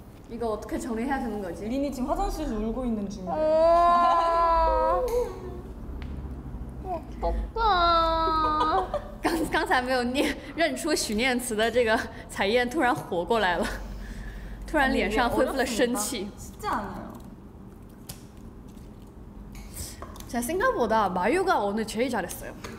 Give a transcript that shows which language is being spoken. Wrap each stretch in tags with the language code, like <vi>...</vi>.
<ko>이거 어떻게 정리해야 되는 거지? 린이 지금 화장실에서 울고 있는 중이야. 어떡하.</ko> <zh>刚才没有念认出许念慈的这个彩燕突然活过来了突然脸上恢复了生气</zh> <ko>쉽지 않아요. 자, 생각보다 마유가 오늘 제일 잘했어요.</ko>